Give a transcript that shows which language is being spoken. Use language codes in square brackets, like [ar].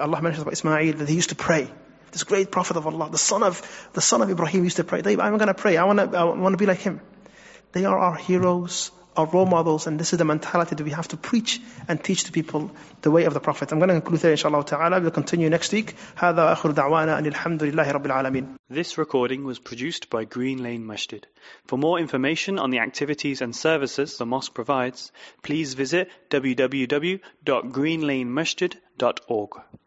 [en] Allah mentions about Ismail that he used to pray. This great prophet of Allah, the son of Ibrahim, used to pray. I'm going to pray. I want to be like him. They are our heroes, our role models, and this is the mentality that we have to preach and teach to people, the way of the Prophet. I'm going to conclude there, inshallah ta'ala. We'll continue next week. [ar] هذا آخر دعوانا أن الحمد لله رب العالمين. [en] This recording was produced by Green Lane Masjid. For more information on the activities and services the mosque provides, please visit www.greenlanemasjid.org.